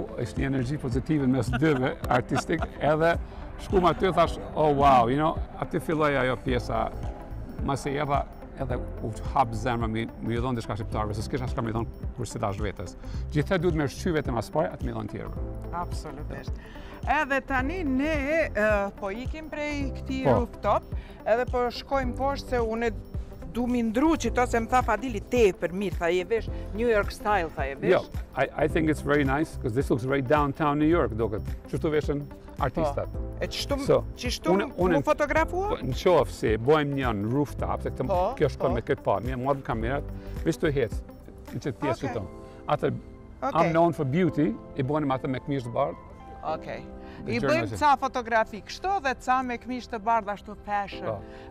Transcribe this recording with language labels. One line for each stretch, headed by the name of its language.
Albanian: Ishtë një energji pozitive mes dyve artistik, edhe shkum aty thash, oh wow, you know, aty filloj ajo pjesa, mas e jeba, edhe u hapë zemrë, më i dhonë dishka shqiptarëve, se s'kisha shka më i dhonë kërsi dash vetës. Gjithë e du të me shqy vetë e maspoj, atë më i dhonë tjerëve. Absolutisht. Edhe tani ne po ikim prej këti rooftop, edhe po shkojmë poshtë se une du më ndru që to se më tha Fadili te për mirë, tha je vesh, New York style, tha je vesh.
English: Jo, I think it's very nice, because this looks very downtown New York,
Albanian: do këtë, qështu veshën artistat. E qështu mu fotografua? Në qofë se bojmë një në rooftop, se këtë kjo shkon me këtë parë, mje marrëm kamerat, vishë të hecë në qëtë pjesë të tonë. Atër,
English: I'm known for beauty,
Albanian: i bojmë atër me këmishë të bardë. Okej, i bëjmë ca fotografi kështu dhe ca me këmishë të bardë ashtu fashion.